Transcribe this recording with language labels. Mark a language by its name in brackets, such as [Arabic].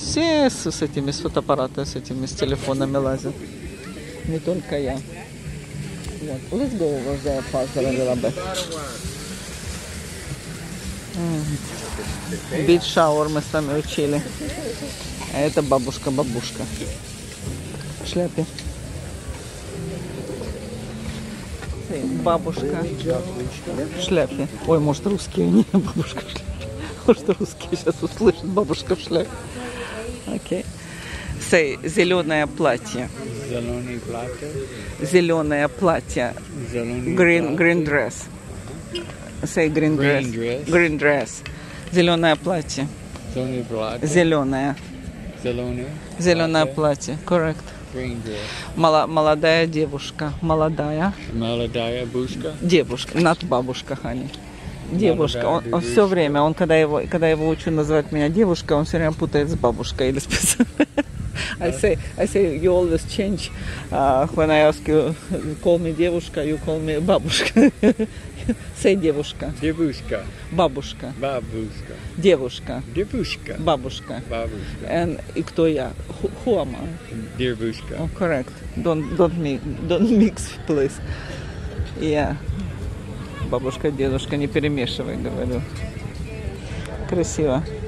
[Russian] Все с этими с фотоаппаратами, с этими с телефонами лазят. Не только я. Вот. [English] Let's go over there faster a little bit. [Russian] Beach shower мы с вами учили. А это бабушка-бабушка. В шляпе. Бабушка в шляпе. Ой, может, русские не бабушка в шляпе. Может, русские сейчас услышат бабушка в шляпе. Окей. Okay. Зеленое платье. Зеленое платье. Зеленое платье. Green dress. [English] Say green dress. Green dress. [Russian] Зеленое платье. Зеленое платье. Зеленое. Зеленое. Зеленое платье. Correct. [English] Green dress. [Russian] Молодая девушка. Молодая. Молодая бушка. Девушка. [English] Not бабушка, honey. [Russian] Девушка. Он все время, он когда его учу называть меня девушка, он все время путает с бабушкой или с песней. [English] I say you always change when I ask you call me девушка, you call me бабушка. Say девушка. [Russian] Девушка. Бабушка. Бабушка. Девушка. Девушка. Бабушка. Бабушка. [English] And и кто я? Who am I? [Russian] Девушка. [English] Oh, correct. Don't mix, please. Yeah. [Russian] Бабушка, дедушка, не перемешивай, говорю. Красиво.